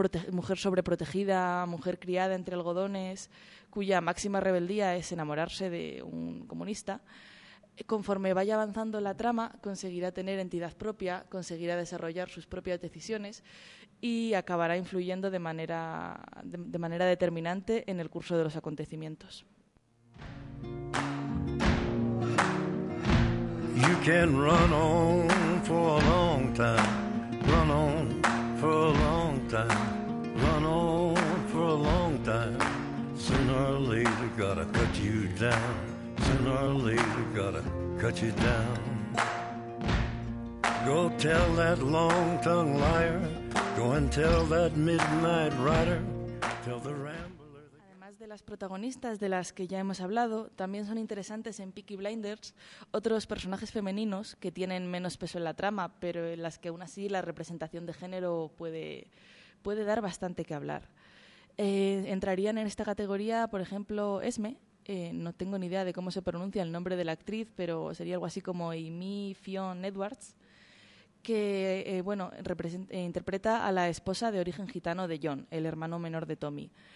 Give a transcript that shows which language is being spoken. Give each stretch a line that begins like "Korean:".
Spanish: mujer sobreprotegida, mujer criada entre algodones, cuya máxima rebeldía es enamorarse de un comunista, conforme vaya avanzando la trama, conseguirá tener entidad propia, conseguirá desarrollar sus propias decisiones y acabará influyendo de manera determinante en el curso de los acontecimientos.
English: You can run on for a long time, run on. For a long time, run on for a long time. Sooner or later, gotta cut you down. Sooner or later, gotta cut you down. Go tell that long-tongued liar. Go and tell that midnight rider. Tell the rambler.
Spanish: Además de las protagonistas de las que ya hemos hablado, también son interesantes en Peaky Blinders otros personajes femeninos que tienen menos peso en la trama, pero en las que aún así la representación de género puede dar bastante que hablar. Entrarían en esta categoría, por ejemplo, Esme. No tengo ni idea de cómo se pronuncia el nombre de la actriz, pero sería algo así como Amy Fionn Edwards, que interpreta a la esposa de origen gitano de John, el hermano menor de Tommy.